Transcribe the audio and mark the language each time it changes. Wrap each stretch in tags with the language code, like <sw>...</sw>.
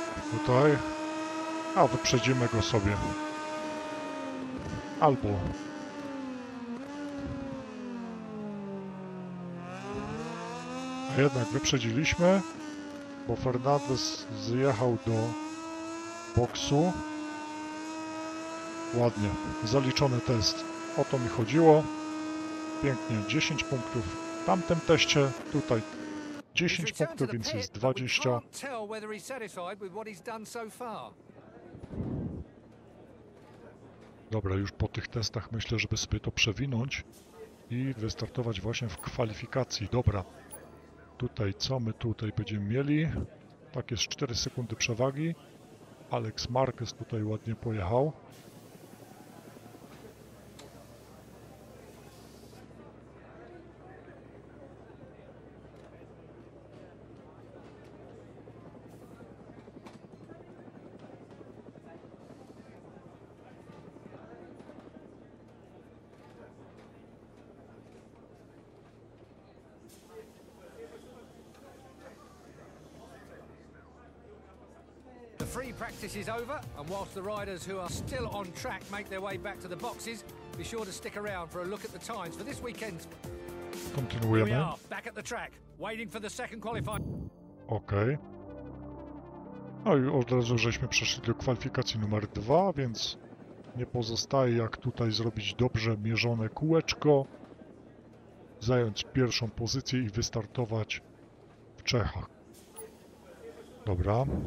<pl>Tutaj, a wyprzedzimy go sobie, albo a jednak wyprzedziliśmy, bo Fernandez zjechał do boksu. Ładnie, zaliczony test, o to mi chodziło. Pięknie, 10 punktów w tamtym teście, tutaj 10 punktów, więc jest 20.</pl> <en>Whether he's satisfied with what he's done so far.</en> <pl>Dobra, już po tych testach myślę, żeby sobie to przewinąć i wystartować właśnie w kwalifikacji. Dobra, tutaj co my tutaj będziemy mieli? Tak, jest 4 sekundy przewagi. Alex Marquez tutaj ładnie pojechał.</pl> <en>Free practice is over, and whilst the riders who are still on track make their way back to the boxes, be sure to stick around for a look at the times for this weekend.</en> <pl>Kontynuujemy.</pl> <en>Here we are, back at the track, waiting for the second qualifier. Okej. Okay.</en> <pl>No i od razu żeśmy przeszli do kwalifikacji numer 2, więc nie pozostaje jak tutaj zrobić dobrze mierzone kółeczko, zająć pierwszą pozycję i wystartować w Czechach. Dobra.</pl>